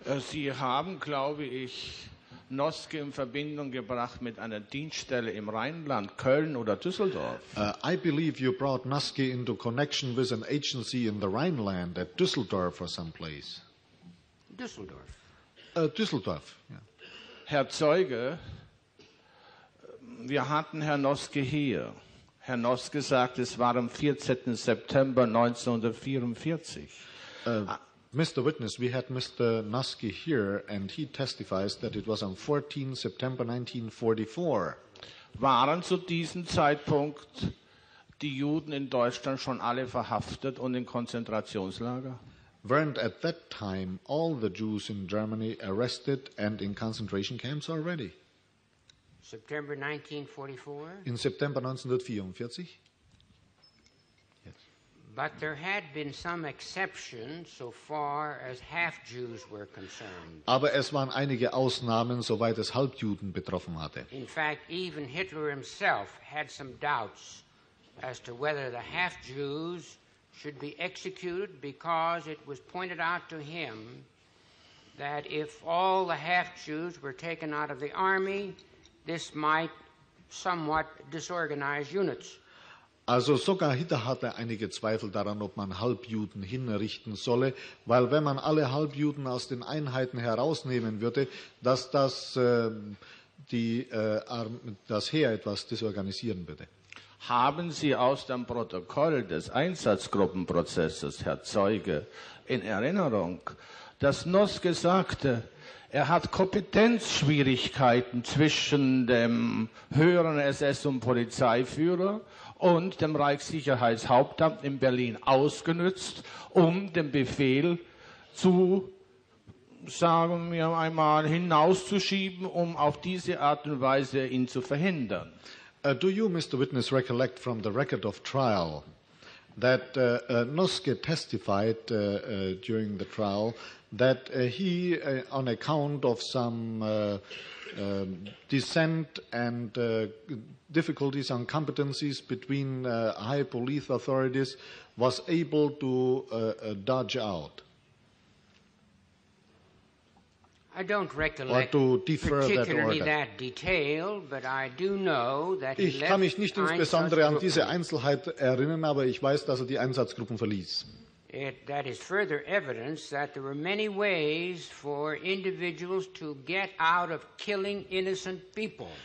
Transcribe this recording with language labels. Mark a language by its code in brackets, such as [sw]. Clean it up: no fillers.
[de] Sie haben, glaube ich, Noske in Verbindung gebracht mit einer Dienststelle im Rheinland, Köln oder Düsseldorf. [en] I believe you brought Noske into connection with an agency in the Rhineland at Düsseldorf or some place. Düsseldorf. [de] Düsseldorf, ja. Herr Zeuge, wir hatten Herrn Noske hier. Herr Noske sagt, es war am 14. September 1944. [en] Mr. Witness, we had Mr. Noske here, and he testifies that it was on 14 September 1944. [de] Waren zu diesem Zeitpunkt die Juden in Deutschland schon alle verhaftet und in Konzentrationslager? [en] Weren't at that time all the Jews in Germany arrested and in concentration camps already? September 1944? In September 1944. But there had been some exceptions so far as half-Jews were concerned. [de] Aber es waren einige Ausnahmen, soweit es Halbjuden betroffen hatte. [en] In fact, even Hitler himself had some doubts as to whether the half-Jews should be executed, because it was pointed out to him that if all the half-Jews were taken out of the army, this might somewhat disorganize units. [de] Also sogar Hitler hatte einige Zweifel daran, ob man Halbjuden hinrichten solle, weil wenn man alle Halbjuden aus den Einheiten herausnehmen würde, dass das das Heer etwas disorganisieren würde. Haben Sie aus dem Protokoll des Einsatzgruppenprozesses, Herr Zeuge, in Erinnerung, dass Noske sagte, er hat Kompetenzschwierigkeiten zwischen dem höheren SS- und Polizeiführer und dem Reichssicherheitshauptamt in Berlin ausgenutzt, um den Befehl zu, sagen wir einmal, hinauszuschieben, um auf diese Art und Weise ihn zu verhindern? [en] Do you, Mr. Witness, recollect from the record of trial that Noske testified during the trial that he, on account of some dissent and difficulties and competencies between high police authorities, was able to dodge out? I don't recollect particularly that detail, but I do know that [de] ich kann mich nicht insbesondere an diese Einzelheit erinnern, aber ich weiß, dass er die Einsatzgruppen verließ. [en] That is further evidence that there were many ways for individuals to get out of killing innocent people.